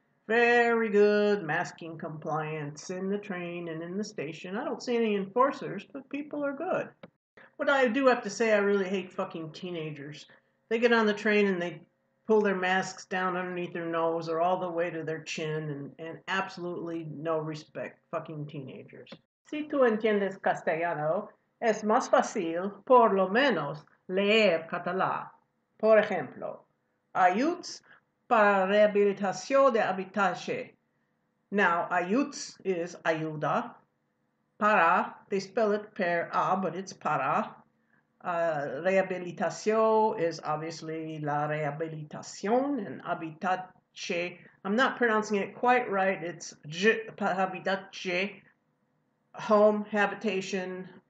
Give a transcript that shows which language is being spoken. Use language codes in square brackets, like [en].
[en] Very good masking compliance in the train and in the station. I don't see any enforcers, but people are good. But I do have to say I really hate fucking teenagers. They get on the train and they pull their masks down underneath their nose or all the way to their chin, and absolutely no respect, fucking teenagers. [es] Si tú entiendes castellano, es más fácil, por lo menos, leer catalá. Por ejemplo, ayuts para rehabilitación de habitatge. [en] Now, ayuts is ayuda. Para, they spell it per a, but it's para. Rehabilitación is obviously [es] la rehabilitación, [en] and habitatge, I'm not pronouncing it quite right, it's j, habitatge, home, habitation.